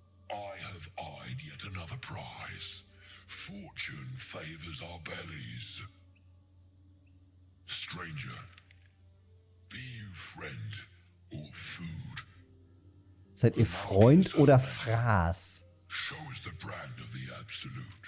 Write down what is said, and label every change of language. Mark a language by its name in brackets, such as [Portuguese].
[English] I have eyed yet another prize. Fortune favors our bellies. Stranger, be you friend or food. [German] Seid ihr Freund oder Fraß? [English] Show us the brand of the absolute.